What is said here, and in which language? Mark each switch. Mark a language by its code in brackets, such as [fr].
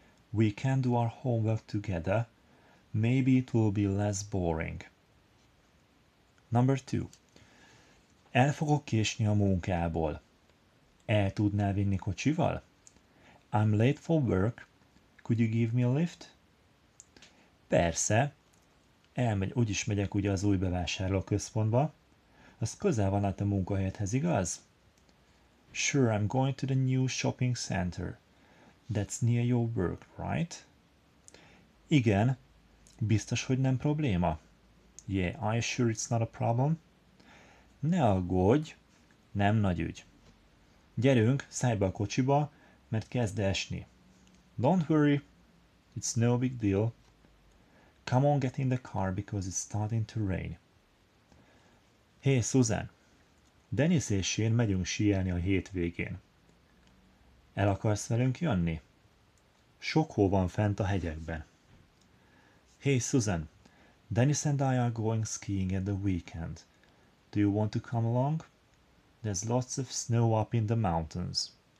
[en] We can do our homework together. Maybe it will be less boring. Number two. [hu] El fogok késni a munkából. El tudnál vinni kocsival? [en] I'm late for work. Could you give me a lift? [hu] Persze. Elmegy, úgyis megyek ugye az új bevásárlóközpontba. Az közel van át a munkahelyedhez, igaz? [en] Sure, I'm going to the new shopping center. That's near your work, right? [hu] Igen, biztos, hogy nem probléma. [en] Yeah, I'm sure it's not a problem. [hu] Ne aggódj, nem nagy ügy. Gyerünk, szállj be a kocsiba, mert kezd esni. [en] Don't worry, it's no big deal. Come on, get in the car, because it's starting to rain. Hey, Susan. [hu] Dennis és én megyünk síelni a hétvégén. El akarsz velünk jönni? Sok hó van fent a hegyekben. [en] Hey Susan, Dennis and I are going skiing at the weekend. Do you want to come along? There's lots of snow up in the mountains.